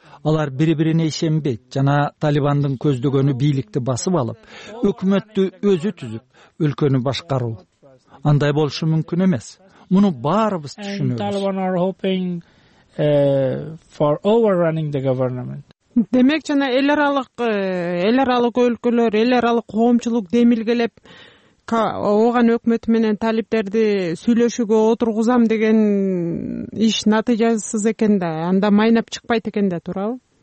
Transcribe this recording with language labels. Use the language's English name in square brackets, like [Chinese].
[Kyrgyz] Алар бири бирине ишенбейт жана Талибандын көздөгөнү бийликти басып алып, өкмөттү өзү түзүп, өлкөнү башкаруу. Андай болушу мүмкүн эмес. Муну баарыбыз түшүнөбүз. [English] Taliban are hoping for overrunning the government. [Kyrgyz] Демек жана эл аралык өлкөлөр, эл аралык коомчулук демилгелеп Ооган өкмөтү менен талиптерди сүйлөшүүгө отургузам деген иш натыйжасыз экен да, анда майнап чыкпайт экен да, туурабы?